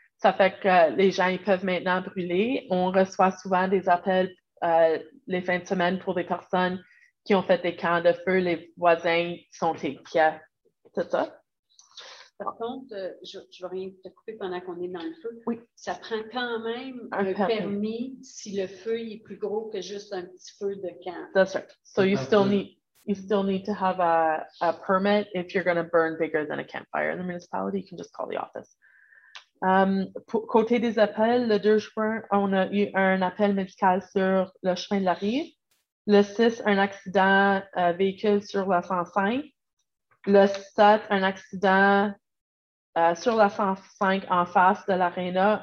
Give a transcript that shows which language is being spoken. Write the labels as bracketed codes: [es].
[fr] Ça fait que les gens ils peuvent maintenant brûler. On reçoit souvent des appels les fins de semaine pour des personnes qui ont fait des camps de feu. Les voisins sont inquiets. C'est ça? Par contre, je vais rien te couper pendant qu'on est dans le feu. Oui. Ça prend quand même un permis si le feu est plus gros que juste un petit feu de camp. [en] That's right. So you still need to have a permit if you're going to burn bigger than a campfire in the municipality. You can just call the office. [fr] Côté des appels, le 2 juin, on a eu un appel médical sur le chemin de la rive. Le 6, un accident véhicule sur la 105. Le 7, un accident sur la 105 en face de l'aréna.